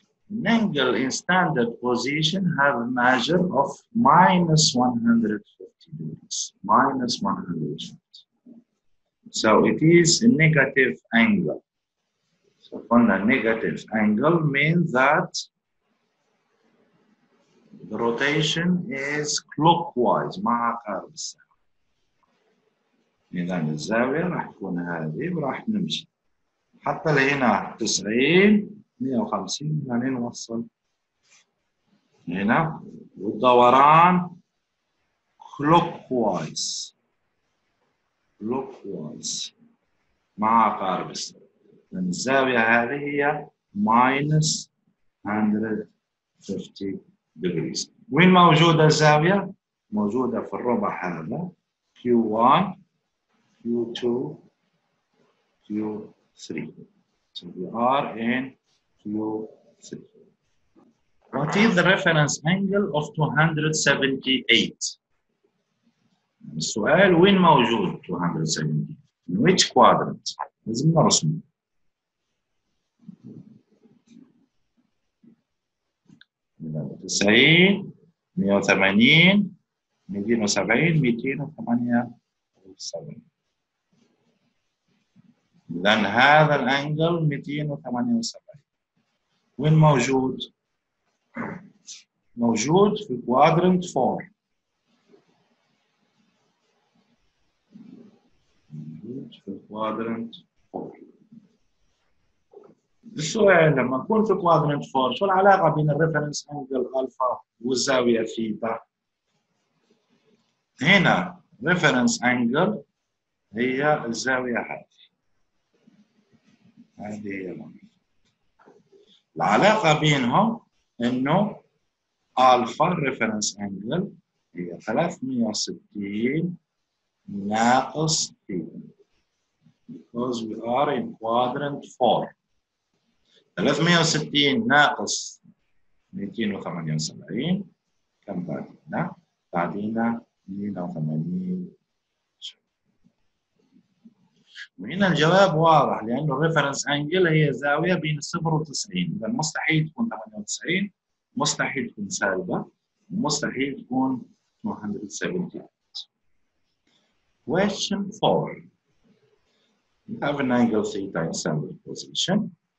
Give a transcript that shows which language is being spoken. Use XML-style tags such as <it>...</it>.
<en>An angle in standard position have a measure of minus 150 degrees. So it is a negative angle. So on a negative angle means that the rotation is clockwise.</en> <ar>مع عقارب الساعة. إذا الزاوية راح تكون هذه وراح نمشي. حتى لهنا 90 150 يعني نوصل هنا والدوران clockwise مع عقارب الساعة. لأن الزاوية هذه هي</ar> <en>minus 150 degrees.</en> <ar>وين موجودة الزاوية؟ موجودة في الربع هذا Q1 Q2 Q3.</ar> <en>So we are in Q3. What is the reference angle of 278؟</en> <ar>السؤال وين موجود 278؟</ar> <en>In which quadrant؟</en> <ar>لازم نرسمه. تسعين مئة وثمانين مئتين وسبعين مئتين وثمانية وسبعين. إذن هذا الأنجل مئتين وثمانية وسبعين. وين موجود؟ موجود في quadrant four. موجود في quadrant four. السؤال لما نكون في quadrant 4 شو العلاقة بين الريفرنس انجل الفا والزاوية ثيتا؟ هنا ريفرنس انجل هي الزاوية هذه. هذه هي العلاقة بينهم انه الفا ريفرنس انجل هي 360 ناقص ثيتا.</ar> <en>Because we are in quadrant 4.</en> <ar>360 ناقص 278 كم بعدين؟ بعدين 280. وهنا الجواب واضح لانه الريفرنس انجل هي زاويه بين 0 و 90، اذا مستحيل تكون 98، مستحيل تكون سالبه، مستحيل تكون 278.</ar> <en>Question 4. You have an angle theta in central position.</en>